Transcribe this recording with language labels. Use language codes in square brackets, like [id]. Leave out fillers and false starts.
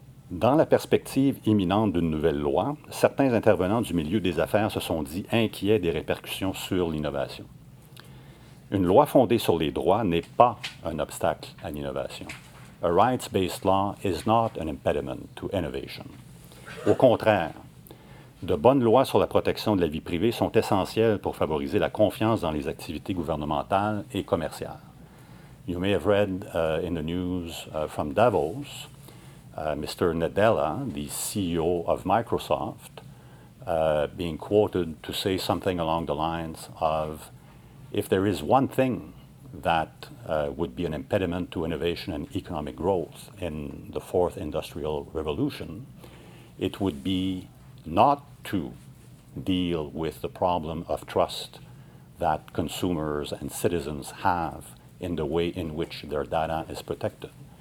[fr] Dans la perspective imminente d'une nouvelle loi, certains intervenants du milieu des affaires se sont dit inquiets des répercussions sur l'innovation. Une loi fondée sur les droits n'est pas un obstacle à l'innovation. [en] A rights-based law is not an impediment to innovation. [fr] Au contraire, de bonnes lois sur la protection de la vie privée sont essentielles pour favoriser la confiance dans les activités gouvernementales et commerciales. [en] You may have read in the news from Davos, Mr. Nadella, the CEO of Microsoft, being quoted to say something along the lines of, if there is one thing that would be an impediment to innovation and economic growth in the fourth industrial revolution, it would be not to deal with the problem of trust that consumers and citizens have in the way in which their data is protected.